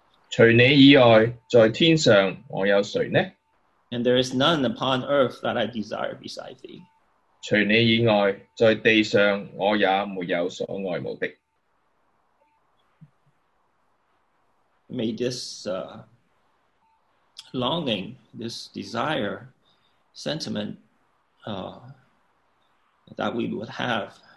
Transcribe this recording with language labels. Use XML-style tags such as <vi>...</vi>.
<zh>除你以外，在天上我有谁呢？</zh> <en>And there is none upon earth that I desire beside thee.</en> <zh>除你以外，在地上我也没有所爱慕的。</zh> <en>May this longing, this desire, sentiment that we would have.</en>